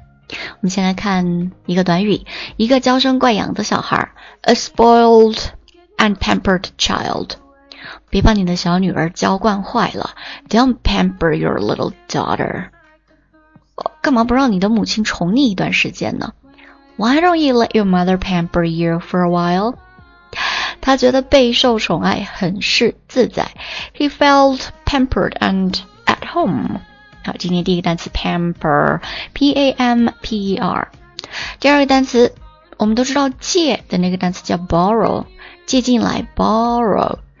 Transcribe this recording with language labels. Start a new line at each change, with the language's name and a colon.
Chinese: 我们先来看一个短语，一个娇生惯养的小孩，
English: A spoiled unpampered child.
Chinese: 别把你的小女儿娇惯坏了。
English: Don't pamper your little daughter.
Chinese: 干嘛不让你的母亲宠你一段时间呢？
English: Why don't you let your mother pamper you for a while?
Chinese: 他觉得备受宠爱很是自在。
English: He felt pampered and at home.
Chinese: 好，今天第一个单词
English: pamper, P-A-M-P-E-R.
Chinese: 第二个单词我们都知道借的那个单词叫 borrow, 借进来 borrow。